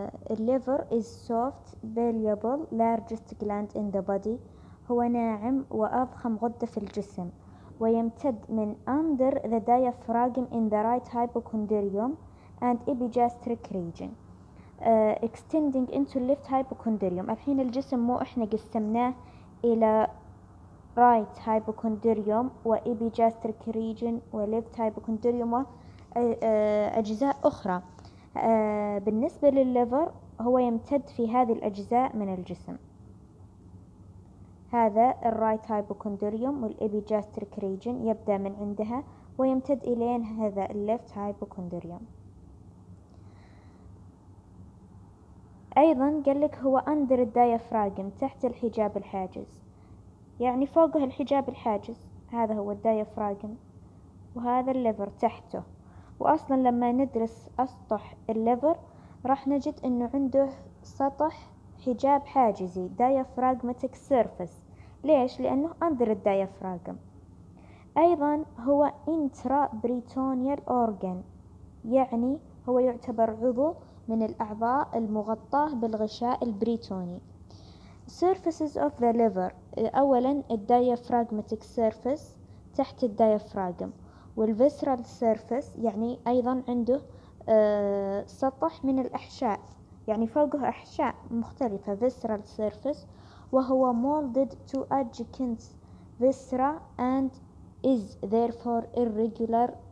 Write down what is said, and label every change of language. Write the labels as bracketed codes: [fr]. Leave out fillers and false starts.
[en] الليفر is soft, valuable, largest gland in the body. [ar] هو ناعم وأضخم غدة في الجسم, ويمتد من [en] under the diaphragm in the right hypochondrium and epigastric region, extending into left hypochondrium. [ar] الحين الجسم مو إحنا قسمناه إلى right hypochondrium و epigastric region و left hypochondrium و أجزاء أخرى. بالنسبة للليفر هو يمتد في هذه الأجزاء من الجسم, هذا الرايت هايبوكوندريوم والإبيجاستريك ريجن يبدأ من عندها ويمتد إلين هذا الليفت هايبوكوندريوم. أيضا قال لك هو أندر الدايافراغم, تحت الحجاب الحاجز, يعني فوقه الحجاب الحاجز, هذا هو الدايافراغم وهذا الليفر تحته. وأصلا لما ندرس أسطح الليفر راح نجد أنه عنده سطح حجاب حاجزي, diaphragmatic surface. ليش؟ لأنه [en] under the diaphragm. [ar] أيضا هو intra-peritoneal organ, يعني هو يعتبر عضو من الأعضاء المغطاة بالغشاء البريتوني. [en] Surfaces of the liver, [ar] أولا diaphragmatic surface تحت الديافراغم, والفيسرال سيرفس يعني أيضا عنده سطح من الأحشاء, يعني فوقه أحشاء مختلفة, فيسرال سيرفس, وهو [en] molded to adjacent viscera and is therefore irregular